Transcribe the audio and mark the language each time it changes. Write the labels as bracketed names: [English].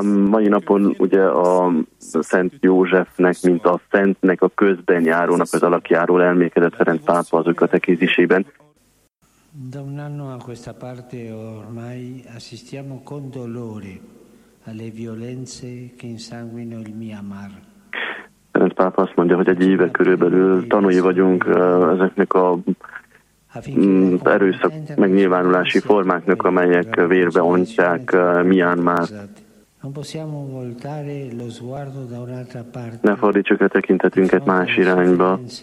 [Hungarian] Mai napon ugye a Szent Józsefnek, mint a Szentnek a közben járónak, az alakjáról elmékedett Ferenc pápa az ő katekézisében. [Italian] Da un anno a questa parte ormai assistiamo con dolore alle violenze che insanguinano il Myanmar. [Hungarian] Ferenc pápa azt mondja, hogy egy éve körülbelül tanúi vagyunk ezeknek az erőszak megnyilvánulási formáknak, amelyek vérbe ontják Myanmar. [Italian] Non possiamo voltare lo sguardo da un'altra parte. [Hungarian] Ne fordítsuk a tekintetünket más irányba.